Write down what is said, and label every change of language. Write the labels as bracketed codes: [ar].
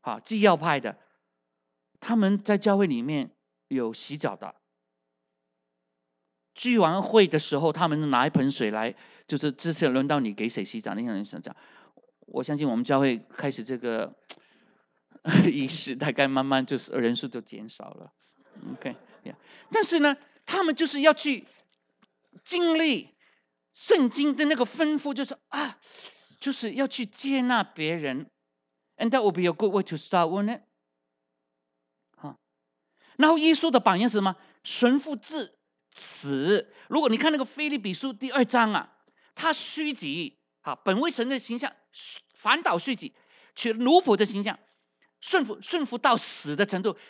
[zh] 既要派的，他们在教会里面有洗脚的，聚完会的时候他们拿一盆水来，就是这次轮到你给谁洗脚，那些人想讲，我相信我们教会开始这个仪式大概慢慢就是人数就减少了 OK、yeah. 但是呢，他们就是要去经历圣经的那个吩咐，就是啊，就是要去接纳别人。 [en] And that would be a good way to start, wouldn't it? [zh] 然后耶稣的榜样是什么？顺服至死。如果你看那个腓立比书第二章啊，他虚己，本为神的形象，反倒虚己，取奴仆的形象，顺服到死的程度。